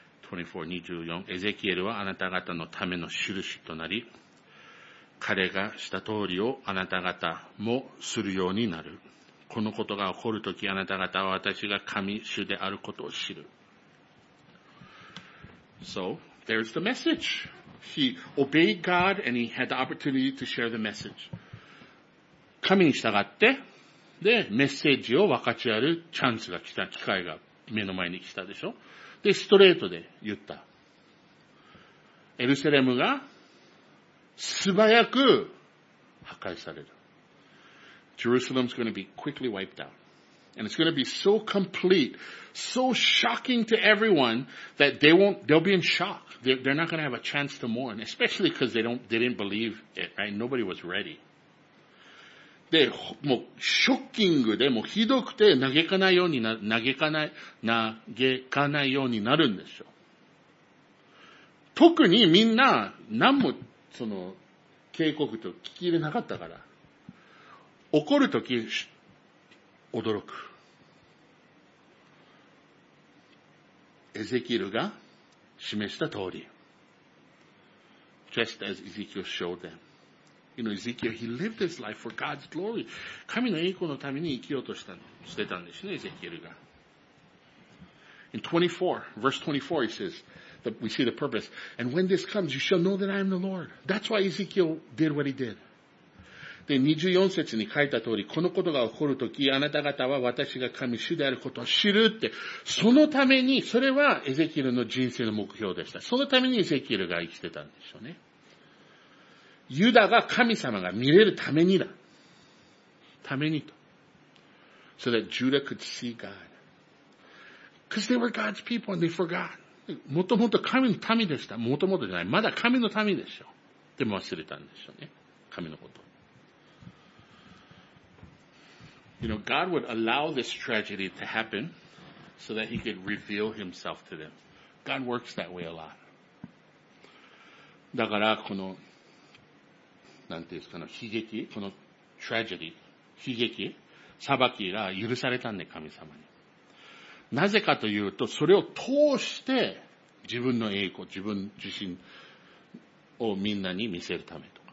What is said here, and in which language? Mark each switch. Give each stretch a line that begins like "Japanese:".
Japanese: 24-24、エゼキエルはあなた方のための印となり、彼がした通りをあなた方もするようになる。このことが起こるとき、あなた方は私が神主であることを知る。
English: So, there's the message. He obeyed God and he had the opportunity to share the message.
Japanese: 神に従って、で、メッセージを分かち合うチャンスが来た、機会が目の前に来たでしょ。で、ストレートで言った。エルサレムが、素早く破壊される。
English: Jerusalem's going to be quickly wiped out. And it's going to be so complete, so shocking to everyone that they'll be in shock. They're not going to have a chance to mourn, especially because they didn't believe it, right? Nobody was ready.
Japanese: で、もう、ショッキングで、もうひどくて嘆かないようになるんですよ。特にみんな、何も、その、警告と聞き入れなかったから、怒るとき、驚く。エゼキエルが示した通り。
English: Just as Ezekiel showed them. You know, Ezekiel, he lived his life for God's glory.
Japanese: 神の栄光のために生きようとしてたんですね、エゼキエルが。
English: In 24, verse 24, he says,we see the purpose. And when this comes, you shall know that I am the Lord. That's why Ezekiel did what he did.
Japanese: で、24節に書いた通り、このことが起こるとき、あなた方は私が神主であることを知るって、そのために、それはエゼキエルの人生の目標でした。そのためにエゼキエルが生きてたんでしょうね。ユダが神様が見れるためにだ。ためにと。
English: So that Judah could see God. Because they were God's people and they forgot.
Japanese: もともと神の民でした。もともとじゃない。まだ神の民でしょう。でも忘れたんでしょうね。神のこと。
English: You know, God would allow this tragedy to happen so that he could reveal himself to them. God works that way a lot.
Japanese: だから、この、なんていうんですかね、悲劇、この tragedy、悲劇、裁きが許されたんで、神様に。なぜかというと、それを通して自分の栄光、自分自身をみんなに見せるため。